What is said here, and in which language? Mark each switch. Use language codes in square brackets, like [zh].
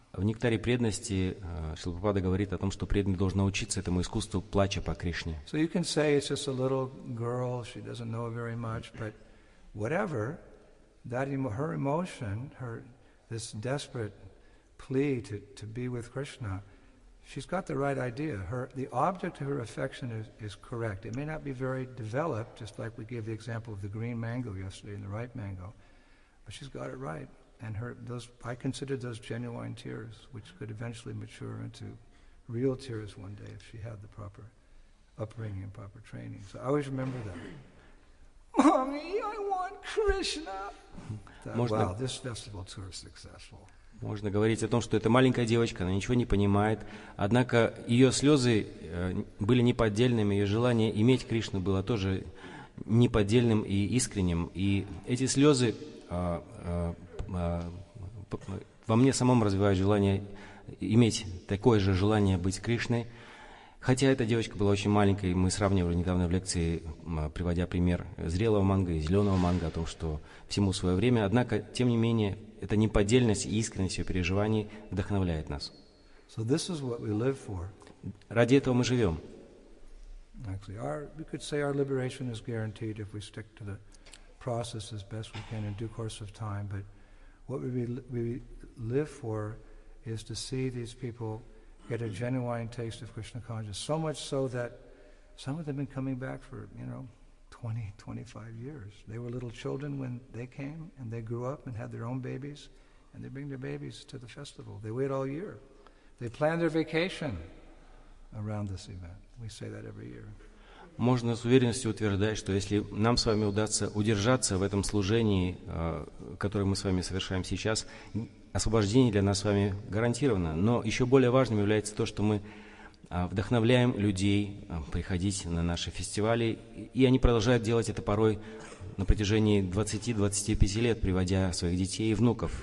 [ru] В Нектаре преданности Шрила Прабхупада говорит о том, что преданный должен научиться этому искусству плача по Кришне. [en] So you can say it's just a little girl, she doesn't know very much, but whatever. That her emotion, her this desperate plea to be with Krishna, she's got the right idea. The object of her affection is correct. It may not be very developed, just like we gave the example of the green mango yesterday and the ripe mango, but she's got it right. And I considered those genuine tears, which could eventually mature into real tears one day if she had the proper upbringing and proper training. So I always remember that. Mommy, I want Krishna. Wow, this festival tour is successful. [ru] Можно говорить о том, что эта маленькая девочка, она ничего не понимает. Однако ее слезы были неподдельными, ее желание иметь Кришну было тоже неподдельным и искренним. И эти слезы во мне самом развивают желание иметь такое же желание быть Кришной. Хотя эта девочка была очень маленькой, мы сравнивали недавно в лекции, приводя пример зрелого манго и зеленого манго, о том, что всему свое время. Однако, тем не менее, эта неподдельность и искренность ее переживаний вдохновляет нас. [en] So this is what we live for. [ru] Ради этого мы живем. [en] Actually, we could say our liberation is guaranteed if we stick to the process as best we can in due course of time. But what we live for is to see these people get a genuine taste of Krishna consciousness, so much so that some of them have been coming back for, you know, 20, 25 years. They were little children when they came, and they grew up and had their own babies, and they bring their babies to the festival. They wait all year. They plan their vacation around this event. We say that every year. [ru] можно с уверенностью утверждать, что если нам с вами удастся удержаться в этом служении, которое мы с вами совершаем сейчас, освобождение для нас с вами гарантировано. Но еще более важным является то, что мы вдохновляем людей приходить на наши фестивали, и они продолжают делать это порой на протяжении 20-25 лет, приводя своих детей и внуков.